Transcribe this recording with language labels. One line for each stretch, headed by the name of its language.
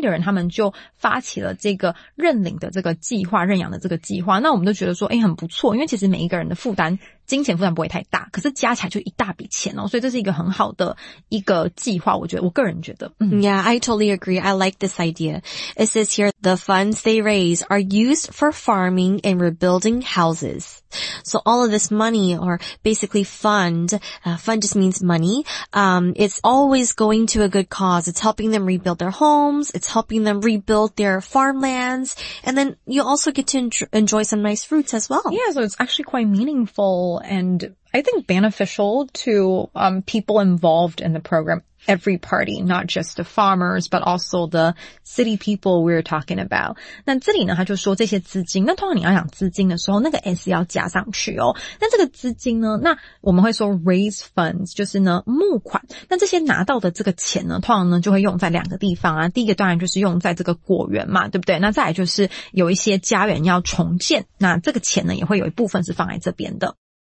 Chinese: 的人他们就发起了这个认领的这个计划，认养的这个计划。那我们都觉得说，欸，很不错，因为其实每一个人的负担，金钱负担不会太大，可是加起来就一大笔钱哦，所以这是一个很好的一个计划，我觉得，我个人觉得。
English: Yeah, I totally agree. I like this idea. It says here, the funds they raise are used for farming and rebuilding houses. So all of this money, or basically fund, fund just means money, it's always going to a good cause. It's helping them rebuild their homes. It's helping them rebuild their farmlands. And then you also get to enjoy some nice fruits as well. Yeah, so it's actually quite meaningful and I think beneficial to people involved in the program. Every party, not just the farmers, but also the city people we're talking about.
Chinese: 那这里呢，他就说这些资金，那通常你要讲资金的时候，那个 S 要加上去哦。那这个资金呢，那我们会说
English: raise funds，
Chinese: 就是呢募款。那这些拿到的这个钱呢，通常呢就会用在两个地方啊。第一个当然就是用在这个果园嘛，对不对？那再来就是有一些家园要重建，那这个钱呢也会有一部分是放在这边的。